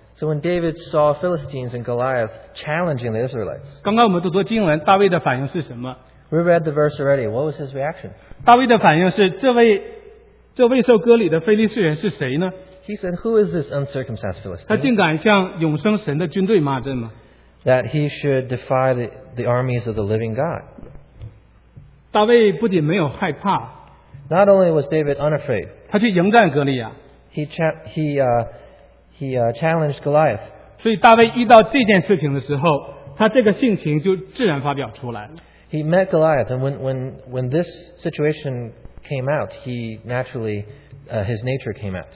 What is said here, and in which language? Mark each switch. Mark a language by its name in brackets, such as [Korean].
[English] So when David saw Philistines and Goliath challenging the Israelites, [Chinese] 刚刚我们读经文, 大卫的反应是什么? [English] We read the verse already. What was his reaction? [Chinese] 大卫的反应是, 这位受割礼的非利士人是谁呢? [English] He said, who is this uncircumcised Philistine? [Chinese] 他竟敢向永生神的军队骂阵吗? [English] That he should defy the armies of the living God. [Chinese] 大卫不仅没有害怕, [English] Not only was David unafraid, [Chinese] 他去迎战哥利亚, [English] he challenged Goliath. [Chinese] 所以大卫遇到这件事情的时候, 他这个性情就自然发表出来了。 [English] He met Goliath, and when this situation came out, he naturally, his nature came out.